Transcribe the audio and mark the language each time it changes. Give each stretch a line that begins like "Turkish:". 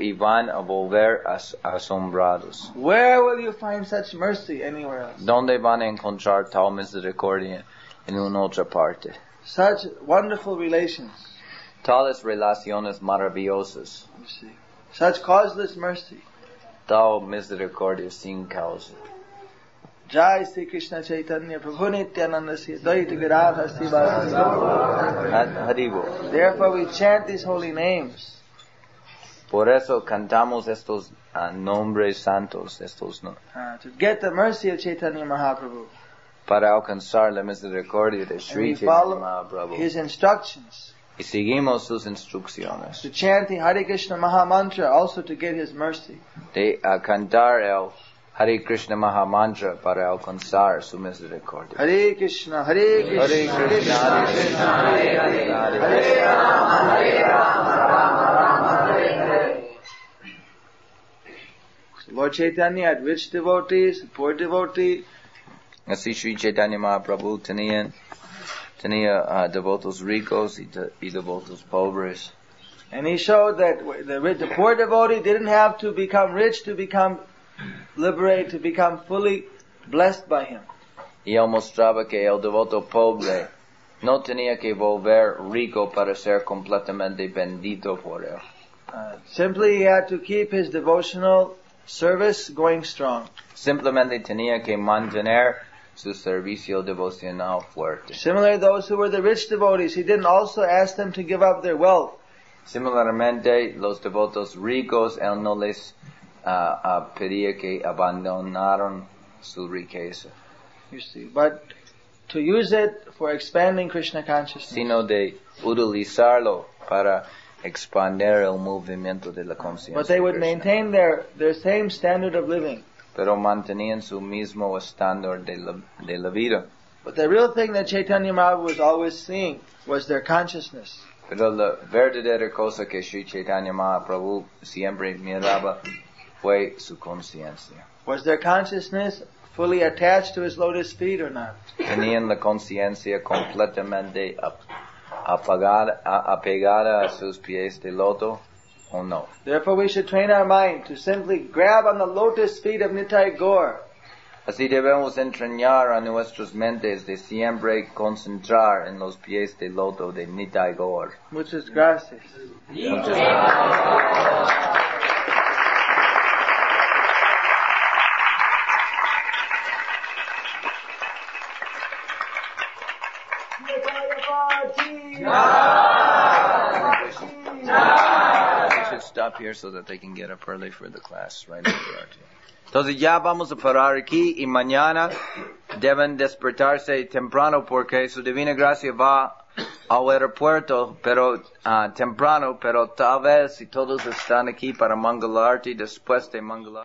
Spanish: Iván a volver asombrados.
English: Where will you find such mercy anywhere else?
Spanish: ¿Dónde van a encontrar tal misericordia en una otra parte?
English: Such wonderful relations.
Spanish: Tales relaciones maravillosas.
English: You see. Such causeless mercy.
Spanish: Tal misericordia sin causa.
Sanskrit: Jai Sri Krishna Chaitanya Prabhu Nityananda Sri Advaita Gadadhara Sri Vasudeva.
English: Therefore we chant these holy names.
Spanish: Por eso cantamos estos nombres santos. Estos
English: To get the mercy of Chaitanya Mahaprabhu.
Spanish: Para alcanzar la misericordia de Sri Chaitanya Mahaprabhu.
English: His instructions.
Spanish: Y seguimos sus instrucciones.
English: To chant the Hare Krishna Maha Mantra also to get his mercy.
Spanish: De cantar el Hare Krishna Maha Mantra para alcanzar su misericordia.
Sanskrit: Hare Krishna, Hare Krishna, Hare Krishna, Hare Krishna, Hare Hare, Hare Rama, Hare Rama, Rama Rama, Hare Hare.
English: Lord Chaitanya had rich devotees, poor devotee.
Spanish: Así Sri Chaitanya Mahaprabhu tenía devotos ricos y devotos pobres.
English: And he showed that the poor devotee didn't have to become rich to become liberated, to become fully blessed by him.
Spanish: Y él mostraba que el devoto pobre no tenía que volver rico para ser completamente bendito por él.
English: Simply he had to keep his devotional service going strong.
Spanish: Simplemente tenía que mantener su servicio devocional fuerte.
English: Similarly, those who were the rich devotees, he didn't also ask them to give up their wealth.
Spanish: Similarmente, los devotos ricos, él no les pedía que abandonaran su riqueza.
English: You see, but to use it for expanding Krishna consciousness.
Spanish: Sino de utilizarlo para expandir el movimiento de la conciencia.
English: But they would maintain their same standard of living.
Spanish: Pero mantenían su mismo estándar de la vida.
English: But the real thing that Chaitanya Mahaprabhu was always seeing was their consciousness.
Spanish: Pero la verdadera cosa que Sri Chaitanya Mahaprabhu siempre miraba fue su conciencia.
English: Was their consciousness fully attached to his lotus feet or not.
Spanish: Tenían la conciencia completamente apegada a sus pies de loto o no.
English: Therefore we should train our mind to simply grab on the lotus feet of Nittai Gaur.
Spanish: Así debemos entrenar a nuestras mentes de siempre concentrar en los pies de loto de Nittai Gaur. Muchas gracias. Muchas gracias.
English: We should stop here so that they can get up early for the class, right?
Spanish: Entonces ya vamos a parar aquí y mañana deben despertarse temprano porque su divina gracia va al aeropuerto, pero temprano, pero tal vez si todos están aquí para Mangalarti después de Mangalarti.